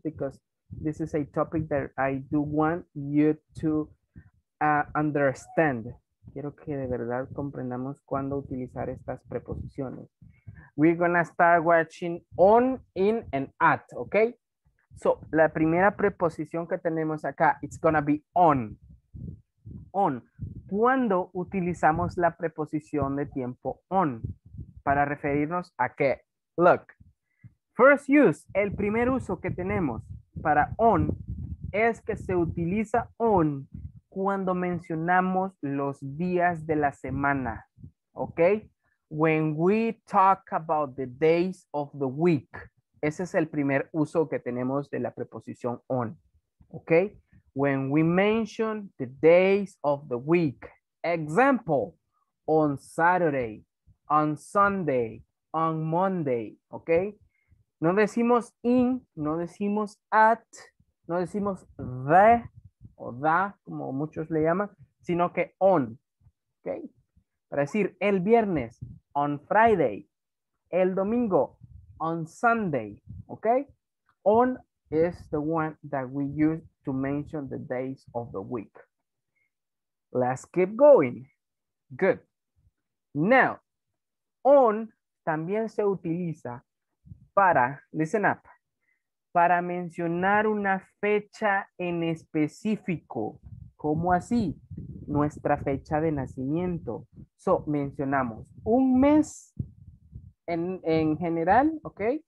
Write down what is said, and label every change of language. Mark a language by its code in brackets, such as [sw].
[en] Because this is a topic that I do want you to understand. [es] Quiero que de verdad comprendamos cuándo utilizar estas preposiciones. [en] We're gonna start watching on, in, and at, okay? [es] So, la primera preposición que tenemos acá, [en] it's gonna be on. On. [es] ¿Cuándo utilizamos la preposición de tiempo on? Para referirnos a qué. [en] Look. First use, [es] el primer uso que tenemos para on es que se utiliza on cuando mencionamos los días de la semana. okay? [en] When we talk about the days of the week. [es] Ese es el primer uso que tenemos de la preposición on, okay? [en] When we mention the days of the week. Example, on Saturday, on Sunday, on Monday, okay? [es] No decimos in, no decimos at, no decimos the o da, como muchos le llaman, sino que on, okay? Para decir el viernes, on Friday, el domingo, on Sunday, okay? [en] On is the one that we use to mention the days of the week. Let's keep going. Good. [es] Now, on también se utiliza para, [en] listen up, [es] para mencionar una fecha en específico. ¿Cómo así? Nuestra fecha de nacimiento. So, mencionamos un mes en general, ¿ok?